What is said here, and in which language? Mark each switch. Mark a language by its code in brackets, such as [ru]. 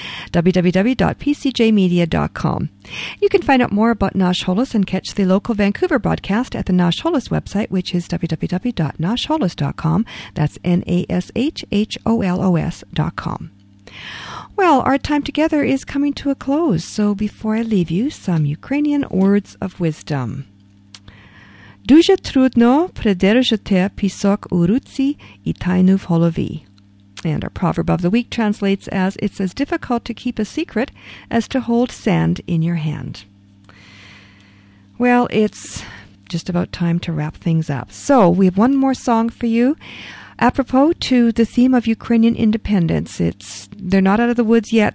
[en] www.pcjmedia.com. You can find out more about Nash Holos and catch the local Vancouver broadcast at the Nash Holos website, which is www.nashholos.com. That's NASHHOLOS.com. Well, our time together is coming to a close, so before I leave you, some Ukrainian words of wisdom. [uk] Дуже трудно придержати пісок у руці і тайну в голові. [en] And our proverb of the week translates as, it's as difficult to keep a secret as to hold sand in your hand. Well, it's just about time to wrap things up. So, we have one more song for you. Apropos to the theme of Ukrainian independence, they're not out of the woods yet.